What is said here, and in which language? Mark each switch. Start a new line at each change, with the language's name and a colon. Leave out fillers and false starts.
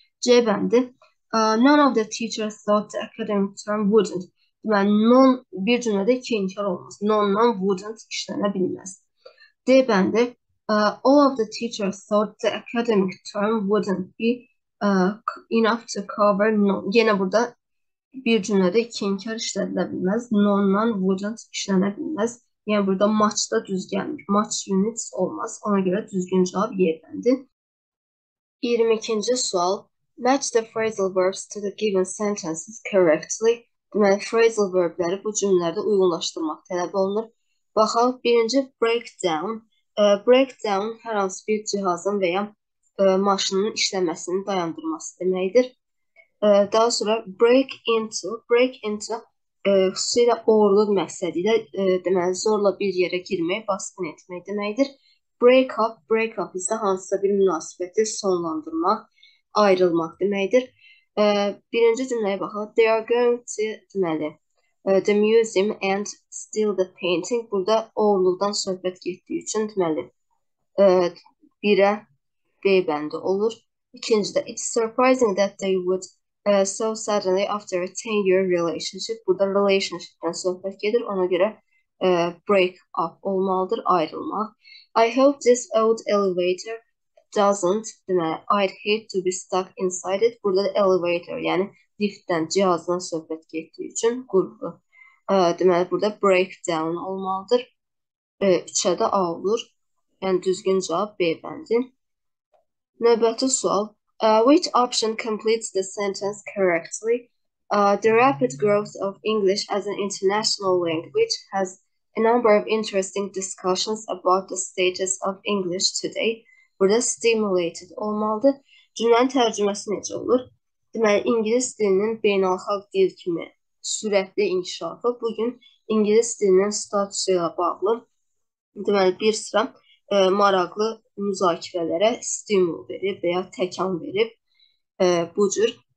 Azerbaijani: C bəndi
English: none of the teachers thought the academic term wouldn't.
Azerbaijani: Deməli, non bir cümlədə iki inkar olmaz. Non-la wouldn't işlənə bilməz. D bəndi
English: all of the teachers thought the academic term wouldn't be enough to cover non.
Azerbaijani: Yenə burada bir cümlədə iki inkar işlədilə bilməz. Non-la wouldn't işlənə bilməz. Yəni burada much da düz gəlmir. Much units olmaz. Ona görə düzgün cavab Y bəndi. 22-ci sual.
English: Match the phrasal verbs to the given sentences correctly.
Azerbaijani: Deməli, phrasal verbləri bu cümlələrdə uyğunlaşdırmaq tələb olunur. Baxaq, birinci breakdown. Breakdown hər hansı bir cihazın və ya maşının işləməsini dayandırması deməkdir. Daha sonra break into. Break into xüsusilə oğurluq məqsədi ilə deməli, zorla bir yerə girmək, basqın etmək deməkdir. Break up. Break up isə hansısa bir münasibəti sonlandırmaq, ayrılmaq deməkdir. Birinci cümləyə baxaq.
English: They are going to,
Azerbaijani: deməli,
English: the museum and steal the painting.
Azerbaijani: Burada oğurluqdan söhbət getdiyi üçün, deməli, birə B bəndi olur. İkinci də,
English: it's surprising that they would so suddenly after a 10-year relationship.
Azerbaijani: Burada relationship'dan söhbət gedir. Ona görə break up olmalıdır, ayrılmaq.
English: I hope this old elevator doesn't,
Azerbaijani: deməli,
English: I'd hate to be stuck inside it.
Azerbaijani: Burada da elevator, yəni liftdən, cihazdan söhbət getdiyi üçün qurğu. Deməli, burada breakdown olmalıdır. 3-ə də A olur. Yəni, düzgün cavab B bəndi. Növbəti sual.
English: Which option completes the sentence correctly? The rapid growth of English as an international language has a number of interesting discussions about the status of English today.
Azerbaijani: Burada stimulated olmalıdır. Cümlənin tərcüməsi necə olur? Deməli, İngilis dilinin beynəlxalq dil kimi sürətli inkişafı bugün İngilis dilinin statüsü ilə bağlı, deməli, bir sıra maraqlı müzakirələrə stimul verib və ya təkan verib bu cür.